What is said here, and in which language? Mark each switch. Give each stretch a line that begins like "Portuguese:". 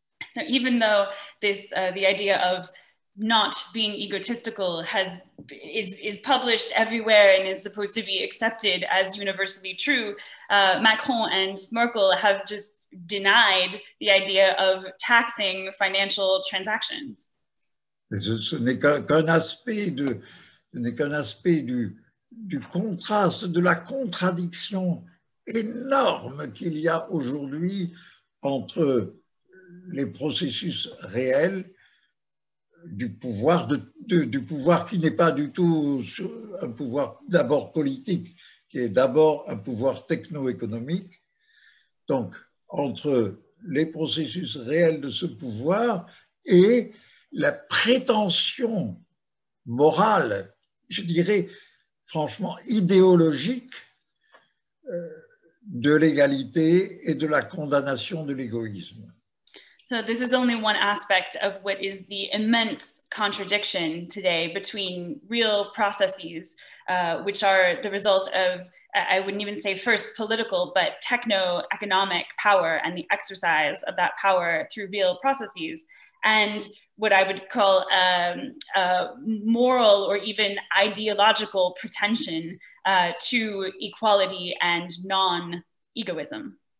English: So even though this the idea of not being egotistical is published everywhere and is supposed to be accepted as universally true, Macron and Merkel have just denied the idea of taxing financial transactions.
French: Ce n'est qu'un aspect de ce n'est qu'un aspect du contraste, de la contradiction énorme qu'il y a aujourd'hui entre les processus réels du pouvoir qui n'est pas du tout un pouvoir d'abord politique, qui est d'abord un pouvoir techno-économique. Donc, entre les processus réels de ce pouvoir et la prétention morale, je dirais franchement idéologique, de l'égalité et de la condamnation de l'égoïsme.
English: So this is only one aspect of what is the immense contradiction today between real processes, which are the result of, I wouldn't even say first political, but techno-economic power and the exercise of that power through real processes, and what I would call a moral or even ideological pretension to equality and non-egoism.